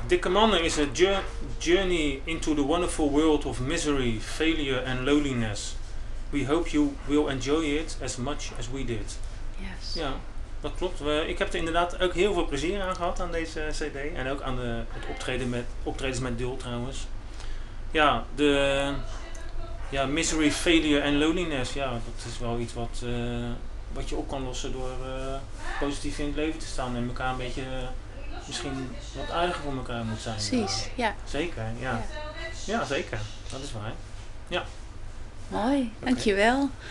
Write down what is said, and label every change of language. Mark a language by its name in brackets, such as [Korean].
[English] Dikke Mannen is a journey into the wonderful world of misery, failure and loneliness. We hope you will enjoy it as much as we did. Yes. [Dutch] Ja, dat klopt. Ik heb er inderdaad ook heel veel plezier aan gehad aan deze cd. En ook aan het optredens met Dul trouwens. [English] Ja, misery, failure and loneliness. [Dutch] Ja, dat is wel iets wat je op kan lossen door positief in het leven te staan en elkaar een beetje... misschien wat aardiger voor elkaar moet zijn. Precies, ja. Zeker, ja. Ja, zeker. Dat is waar. Ja. Mooi, dankjewel.